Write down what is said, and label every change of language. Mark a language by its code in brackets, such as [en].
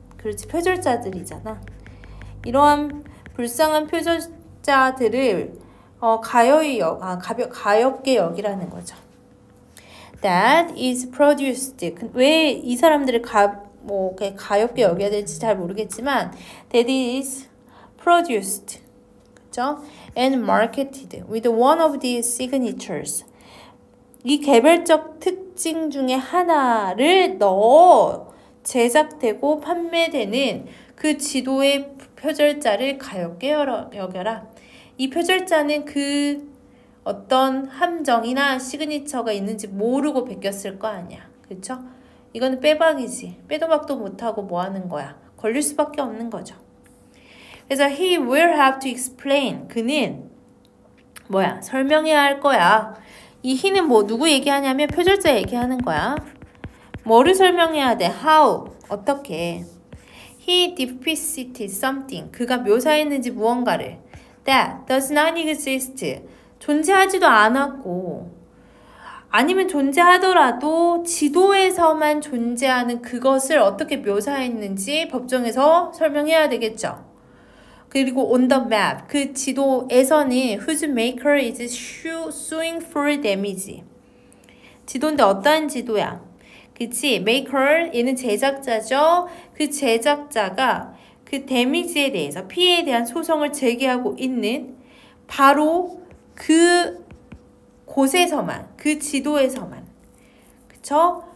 [ko] 그렇지, 표절자들이잖아. 이러한 불쌍한 표절자들을 가여이 여, 아, 가벼, 가엽게 여기라는 거죠. [en] That is produced. [ko] 왜이 사람들을 가엽게 여겨야 될지 잘 모르겠지만, [en] that is produced. [ko] 그쵸? [en] And marketed with one of these signatures. [ko] 이 개별적 특징 중에 하나를 넣어 제작되고 판매되는 그 지도의 표절자를 가엽게 여겨라. 이 표절자는 그 어떤 함정이나 시그니처가 있는지 모르고 베꼈을 거 아니야. 그쵸? 이거는 빼박이지. 빼도박도 못하고 뭐 하는 거야. 걸릴 수밖에 없는 거죠. 그래서 [en] he will have to explain. [ko] 그는 뭐야? 설명해야 할 거야. 이 he는 뭐 누구 얘기하냐면 표절자 얘기하는 거야. 뭐를 설명해야 돼? [en] How? [ko] 어떻게? [en] He deficited something. [ko] 그가 묘사했는지 무언가를. [en] That does not exist. [ko] 존재하지도 않았고, 아니면 존재하더라도 지도에서만 존재하는 그것을 어떻게 묘사했는지 법정에서 설명해야 되겠죠. 그리고 [en] on the map, [ko] 그 지도에서는 [en] whose maker is suing for damage. [ko] 지도인데 어떠한 지도야? 그치? maker, 얘는 제작자죠? 그 제작자가 그 데미지에 대해서, 피해에 대한 소송을 제기하고 있는 바로 그 곳에서만, 그 지도에서만, 그쵸?